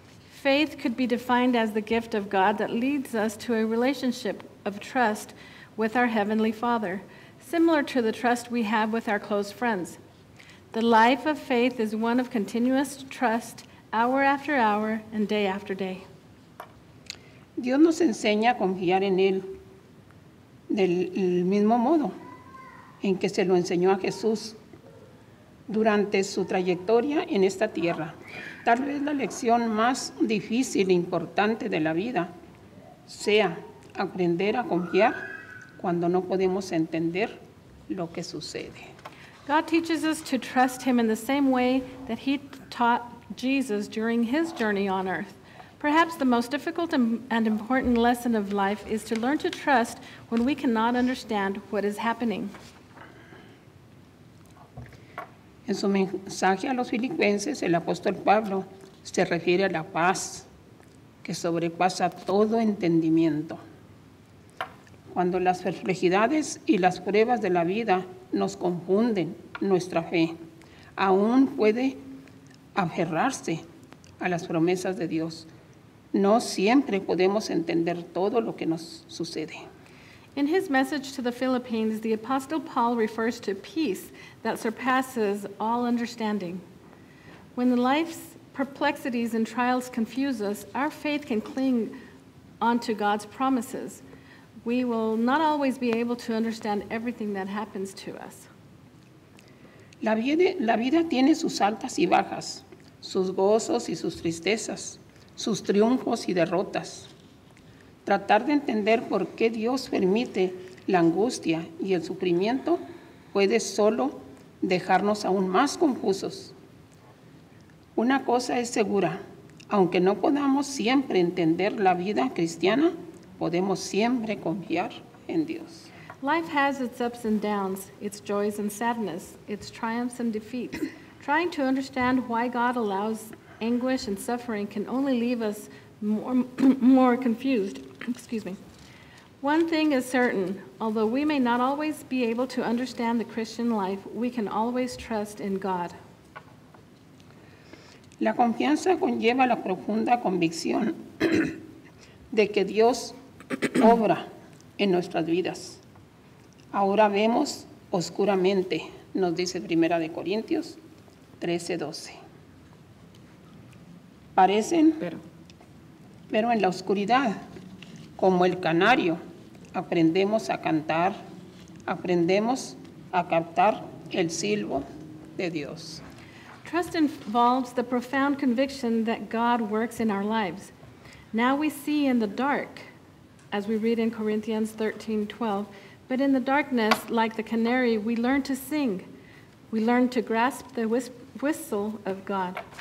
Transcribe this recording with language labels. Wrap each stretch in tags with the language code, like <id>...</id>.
<en>Faith could be defined as the gift of God that leads us to a relationship of trust with our Heavenly Father, similar to the trust we have with our close friends. The life of faith is one of continuous trust, hour after hour and day after day.</en> <es>Dios nos enseña a confiar en Él del mismo modo en que se lo enseñó a Jesús durante su trayectoria en esta tierra. Tal vez la lección más difícil e importante de la vida sea aprender a confiar cuando no podemos entender lo que sucede.</es> <en>God teaches us to trust Him in the same way that He taught Jesus during His journey on earth. Perhaps the most difficult and important lesson of life is to learn to trust when we cannot understand what is happening.</en> <es>En su mensaje a los filipenses, el apóstol Pablo se refiere a la paz que sobrepasa todo entendimiento. Cuando las perplejidades y las pruebas de la vida nos confunden, nuestra fe aún puede aferrarse a las promesas de Dios. No siempre podemos entender todo lo que nos sucede.</es> <en>In his message to the Philippines, the Apostle Paul refers to peace that surpasses all understanding. When the life's perplexities and trials confuse us, our faith can cling onto God's promises. We will not always be able to understand everything that happens to us.</en> <es>La vida tiene sus altas y bajas, sus gozos y sus tristezas, sus triunfos y derrotas. Tratar de entender por qué Dios permite la angustia y el sufrimiento puede solo dejarnos aún más confusos. Una cosa es segura, aunque no podamos siempre entender la vida cristiana, podemos siempre confiar en Dios.</es> <en>Life has its ups and downs, its joys and sadness, its triumphs and defeats. Trying to understand why God allows anguish and suffering can only leave us more confused. Excuse me. One thing is certain, although we may not always be able to understand the Christian life, we can always trust in God.</en> <es>La confianza conlleva la profunda convicción de que Dios obra en nuestras vidas. Ahora vemos oscuramente, nos dice Primera de Corintios 13:12. Parecen, pero en la oscuridad, como el canario, aprendemos a cantar, aprendemos a captar el silbo de Dios.</es> <en>Trust involves the profound conviction that God works in our lives. Now we see in the dark, as we read in Corinthians 13:12, but in the darkness, like the canary, we learn to sing. We learn to grasp the whistle of God.</en>